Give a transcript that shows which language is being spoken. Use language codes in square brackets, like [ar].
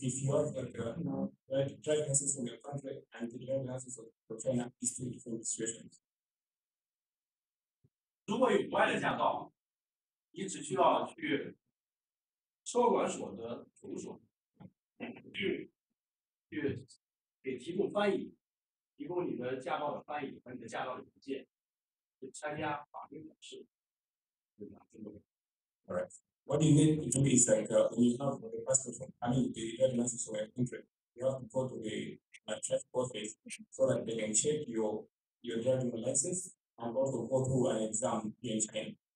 [en] If you have a driving license from your country and the driving license from China, it's two different situations. [zh] 如果有国外的驾照，你只需要去车管所的处所，去给提供翻译，提供你的驾照的翻译和你的驾照的文件，去参加法律考试，就两分钟。 [en] All right. What do you mean? It means like when you have the passport from, I mean, the driving license from your country, you have to go to the traffic office so that they can check your driving license. I'm going to go through an exam in China.